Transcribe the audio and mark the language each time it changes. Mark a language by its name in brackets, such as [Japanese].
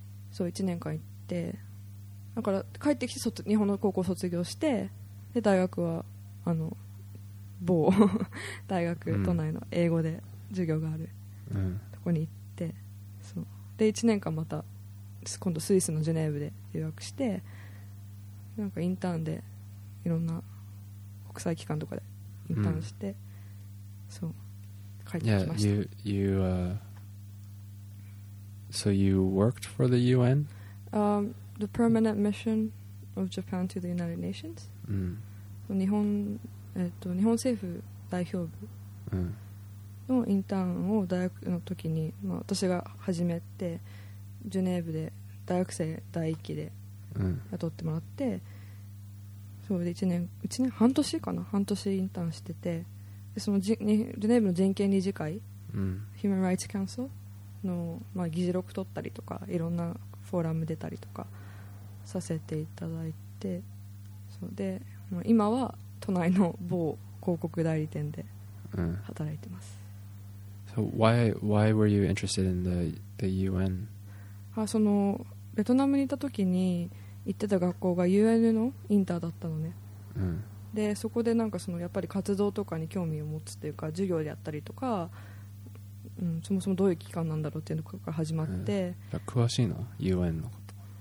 [Japanese] そう1年間行ってだから帰ってきて日本の高校卒業してで大学はあの某大学都内の英語で授業があるとこに行ってそうで1年間また今度スイスのジュネーブで留学してなんかインターンでいろんな国際機関とかでインターンして、そう帰ってきました。 [English] Yeah, you so you worked for the UN? The permanent mission of Japan to the United Nations. [Japanese] 日本日本政府代表部のインターンを大学の時に、まあ、私が始めてジュネーブで大学生第一期で雇ってもらって。そうで1年半年かな半年インターンしててでそのジュネーブの人権理事会、Human Rights Council の、まあ、議事録取ったりとかいろんなフォーラム出たりとかさせていただいてそそうで今は都内の某広告代理店で働いてます、 [English] So why were you interested in the UN? [Japanese] あそのベトナムにいた時に行ってた学校が UN のインターだったのね、でそこでなんかそのやっぱり活動とかに興味を持つというか授業でやったりとか、そもそもどういう機関なんだろうっていうのが始まって、詳しいの UN のこと。